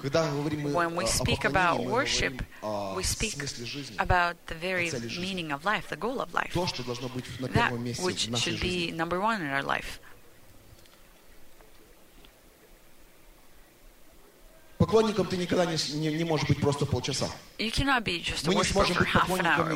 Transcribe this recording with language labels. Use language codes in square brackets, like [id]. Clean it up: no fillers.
[en] When we speak about worship, we speak about the very meaning of life, the goal of life, that which should be number one in our life. [ru] Поклонником ты никогда не можешь быть просто полчаса. [en] You cannot be just a worshiper for half an hour.